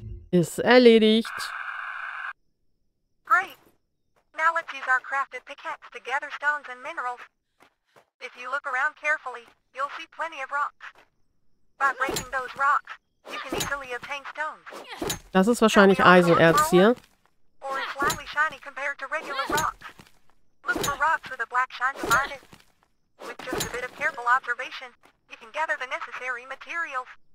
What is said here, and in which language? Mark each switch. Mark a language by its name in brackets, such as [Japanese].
[German] Ist erledigt. [English] Great. Now let's use our crafted pickaxe to gather stones and minerals. If you look around carefully, you'll see plenty of rocks. By breaking those rocks, you can easily obtain stones. [German] Das ist wahrscheinlich Eisenerz hier. [English] Or it's slightly shiny compared to regular rocks. Look for rocks with a black shine to mine it. With just a bit of careful observation, you can gather the necessary materials.